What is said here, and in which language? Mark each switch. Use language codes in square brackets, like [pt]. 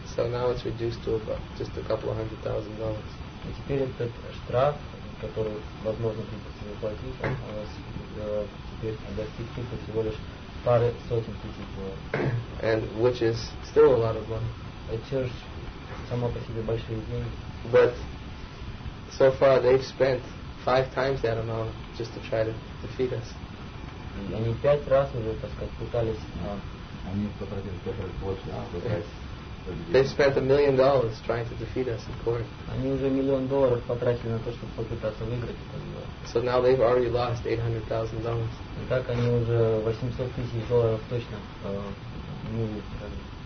[en] So now it's reduced to about just a couple of hundred thousand dollars. [ru] И теперь этот штраф, которую возможно придется заплатить, теперь достиг только всего лишь пары сотен тысяч долларов. [en] And which is still a lot of money. [ru] Это же само по себе большие деньги. [en] But so far they've spent 5 times that amount just to try to defeat us. [ru] И они 5 раз уже, так сказать, пытались. Они потратили 5 раз больше, [en] They've spent $1 million trying to defeat us in court. [ru] Они уже миллион долларов потратили на то, чтобы попытаться выиграть это дело. [en] So now they've already lost $800,000. [ru] И так они уже 800 000 долларов точно не выиграли.